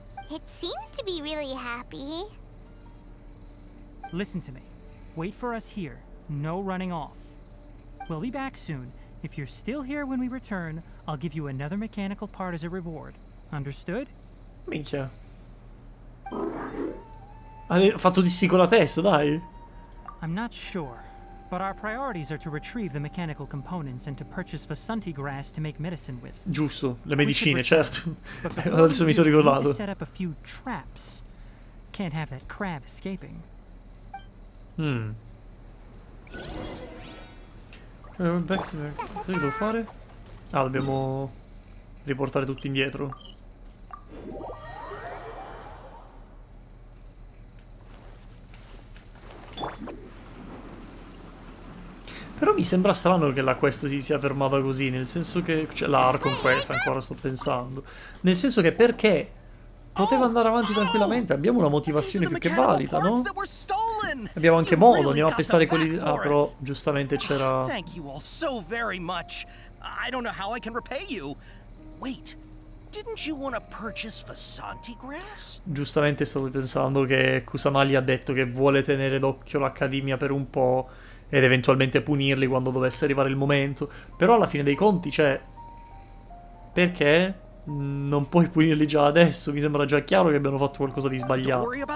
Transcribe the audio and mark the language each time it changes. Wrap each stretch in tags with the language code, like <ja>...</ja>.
<en>It seems to be really happy. Listen to me. Wait for us here. No running off. We'll be back soon. If you're still here when we return, I'll give you another mechanical part as a reward. Understood?</en> <it>Minchia. Hai fatto di sì con la testa, dai.</it> <en>I'm not sure. But our priorities are to retrieve the mechanical components and to purchase Vasanti grass to make medicine with.</en> <it>Giusto, le medicine, certo. Adesso mi sono ricordato.</it> <en>Set up a few traps. Can't have that crab escaping.</en> <it>Cosa devo fare? Ah, dobbiamo riportare tutti indietro. Però mi sembra strano che la quest si sia fermata così, nel senso che... Cioè, l'arco in questa ancora sto pensando. Nel senso che perché poteva andare avanti tranquillamente, abbiamo una motivazione più che valida, no? Abbiamo anche modo, andiamo a pestare quelli... Ah, però giustamente c'era...</it> <en>Thank you all so very much. I don't know how I can repay you. Wait, didn't you want to purchase Vasanti grass?</en> <it>Giustamente stavo pensando che Kusama gli ha detto che vuole tenere d'occhio l'Accademia per un po'... Ed eventualmente punirli quando dovesse arrivare il momento. Però alla fine dei conti, cioè... Perché non puoi punirli già adesso? Mi sembra già chiaro che abbiano fatto qualcosa di sbagliato.</it>